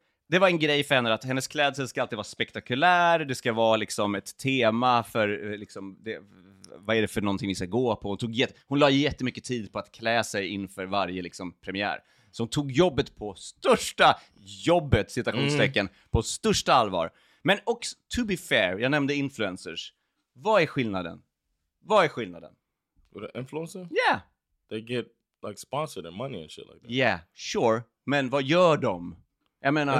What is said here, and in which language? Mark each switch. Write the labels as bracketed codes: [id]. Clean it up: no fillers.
[sv] Det var en grej för henne att hennes klädsel ska alltid vara spektakulär. Det ska vara liksom ett tema för liksom det, vad är det för någonting vi ska gå på. Hon la jättemycket tid på att klä sig inför varje liksom premiär. Så hon tog jobbet på största jobbet, citationstecken, på största allvar. Men också, [en] to be fair, [sv] jag nämnde influencers. Vad är skillnaden? [en] With an influencer? Yeah. They get like sponsored and money and shit like that. Yeah, sure. [sv] Men vad gör de? Jag menar...